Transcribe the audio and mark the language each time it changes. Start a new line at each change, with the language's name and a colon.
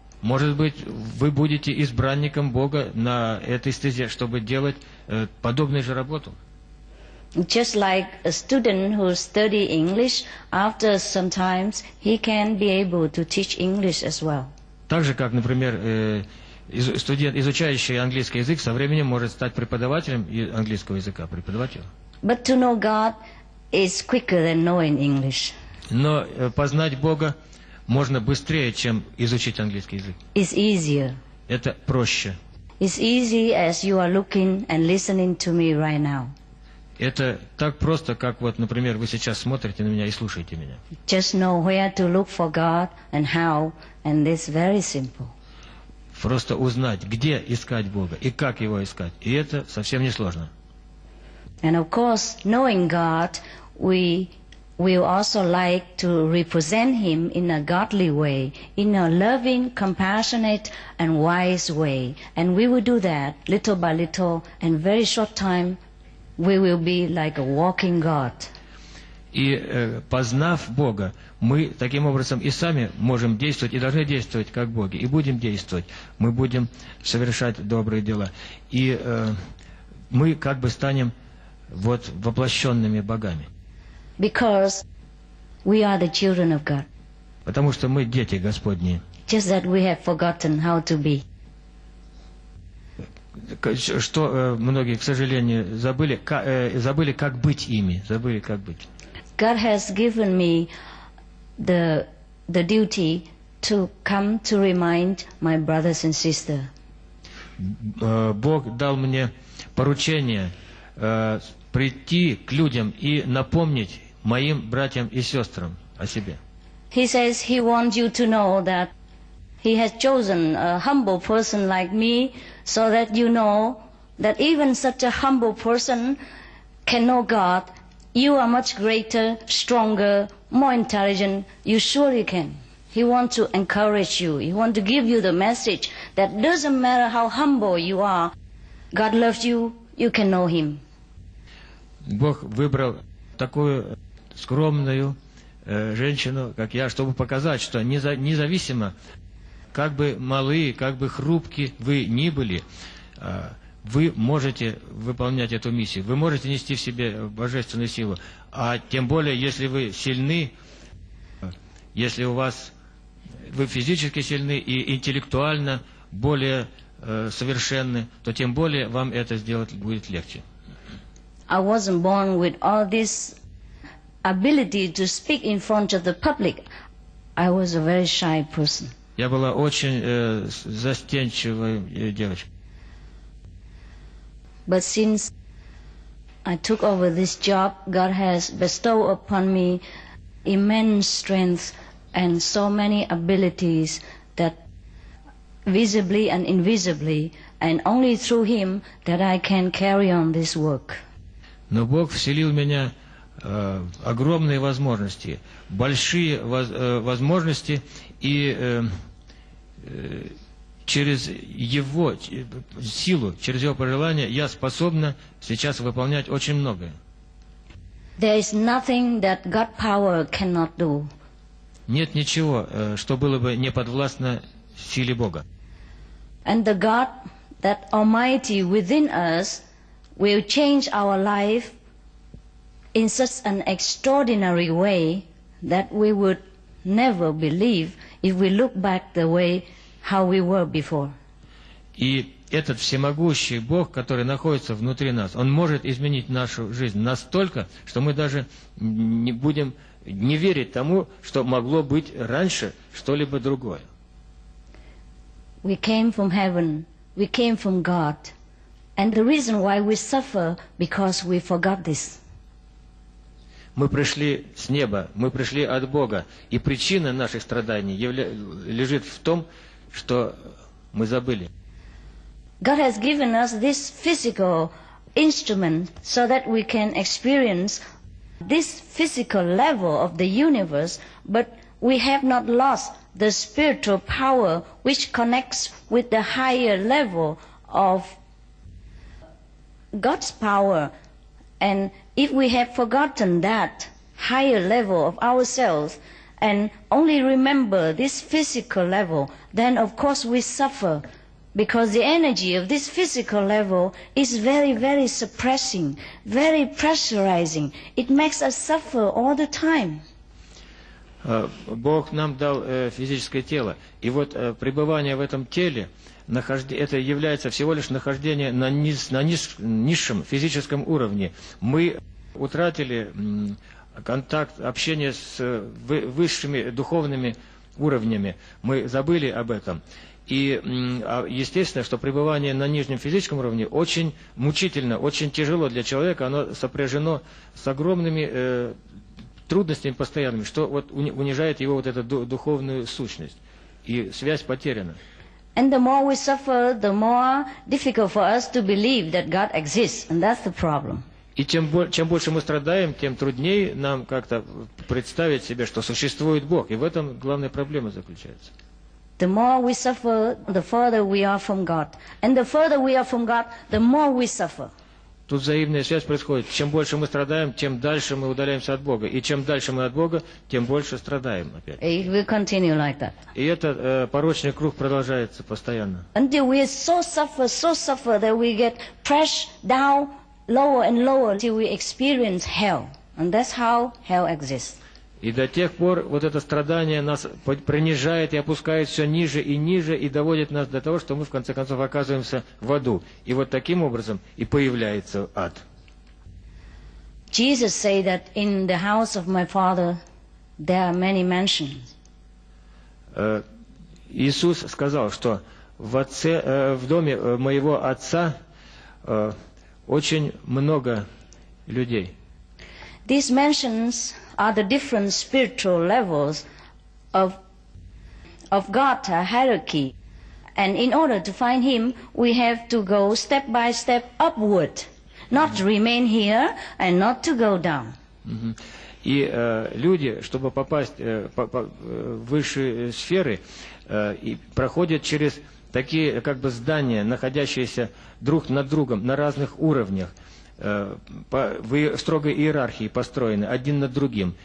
Russian: Может быть, вы будете избранником Бога на этой стезе, чтобы делать подобную же работу.
English: Just like a student who study English, after some times he can be able to teach English as well.
Russian: Так же, как, например, студент, изучающий английский язык, со временем может стать преподавателем английского языка, преподавателем.
English: But to know God is quicker than knowing English.
Russian: Но познать Бога можно быстрее, чем изучить английский язык.
English: It's easier.
Russian: Это проще.
English: It's easy as you are looking and listening to me right now.
Russian: Это так просто, как вот, например, вы сейчас смотрите на меня и слушаете меня.
English: Just know where to look for God and how, and this very simple.
Russian: Просто узнать, где искать Бога и как его искать, и это совсем не сложно.
English: And of course, knowing God, we also like to represent him in a godly way, in a loving, compassionate, and wise way. And we will do that little by little, and very short time, we will be like a walking God.
Russian: И познав Бога, мы таким образом и сами можем действовать, и должны действовать как Боги, и будем действовать. Мы будем совершать добрые дела. И мы как бы станем вот воплощенными богами.
English: Because we are the children of God.
Russian: Потому что мы дети Господни.
English: Just that we have forgotten how to be.
Russian: Что многие, к сожалению, забыли, как быть ими, забыли, как быть.
English: God has given me the duty to come to remind my brothers and sisters.
Russian: Бог дал мне поручение прийти к людям и напомнить моим братьям и сестрам о себе.
English: He says he wants you to know that he has chosen a humble person like me so that you know that even such a humble person can know God. You are much greater, stronger, more intelligent. You surely can. He wants to encourage you. He wants to give you the message that doesn't matter how humble you are, God loves you, you can know him.
Russian: Бог выбрал такую скромную женщину, как я, чтобы показать, что независимо, как бы малы, как бы хрупки вы ни были, вы можете выполнять эту миссию, вы можете нести в себе божественную силу, а тем более, если вы сильны, если у вас вы физически сильны и интеллектуально более совершенны, то тем более вам это сделать будет легче.
English: I wasn't born with all this ability to speak in front of the public. I was a very shy person.
Russian: Я была очень застенчивой девочкой.
English: But since I took over this job, God has bestowed upon me immense strength and so many abilities that visibly and invisibly And only through him that I can carry on this work.
Russian: Но Бог вселил в меня огромные возможности, большие возможности, и через Его силу, через Его пожелание, я способна сейчас выполнять очень многое.
English: There is nothing that God power cannot do.
Russian: Нет ничего, что было бы не подвластно силе Бога.
English: And the God that Almighty within us will change our life in such an extraordinary way that we would never believe if we look back the way how we were before.
Russian: И этот всемогущий Бог, который находится внутри нас, Он может изменить нашу жизнь настолько, что мы даже не будем не верить тому, что могло быть раньше что-либо другое.
English: We came from heaven, we came from God, and the reason why we suffer because we forgot this.
Russian: Мы пришли с неба, мы пришли от Бога, и причина наших страданий лежит в том, что мы забыли.
English: God has given us this physical instrument so that we can experience this physical level of the universe, but we have not lost the spiritual power which connects with the higher level of God's power. And if we have forgotten that higher level of ourselves and only remember this physical level, then of course we suffer. Because the energy of this physical level is very, very suppressing, very pressurizing. It makes us suffer all the time.
Russian: Бог нам дал физическое тело. И вот пребывание в этом теле, это является всего лишь нахождение на низшем физическом уровне. Мы утратили контакт, общение с высшими духовными уровнями. Мы забыли об этом. И естественно, что пребывание на нижнем физическом уровне очень мучительно, очень тяжело для человека, оно сопряжено с огромными трудностями постоянными, что вот унижает его вот эту духовную сущность, и связь потеряна.
English: And the more we suffer, the more difficult for us to believe that God exists, and that's the problem.
Russian: И чем больше мы страдаем, тем труднее нам как-то представить себе, что существует Бог, и в этом главная проблема заключается.
English: The more we suffer, the further we are from God. And the further we are from God, the more we suffer.
Russian: Тут взаимная связь происходит. Чем больше мы страдаем, тем дальше мы удаляемся от Бога. И чем дальше мы от Бога, тем больше страдаем опять.
English: It will continue like that.
Russian: И этот порочный круг продолжается постоянно.
English: Until we so suffer that we get pressed down lower and lower until we experience hell. And that's how hell exists.
Russian: И до тех пор вот это страдание нас принижает и опускает все ниже и ниже и доводит нас до того, что мы в конце концов оказываемся в аду. И вот таким образом и появляется ад.
English: Jesus said that in the house of my Father there are many mansions.
Russian: Иисус сказал, что в доме моего отца очень много людей.
English: These mansions are the different spiritual levels of God hierarchy. And in order to find Him, we have to go step by step upward, not to remain here and not to go down.
Russian: И люди, чтобы попасть в высшие сферы, проходят через такие как бы здания, находящиеся друг над другом на разных уровнях. В строгой иерархии построены один над другим.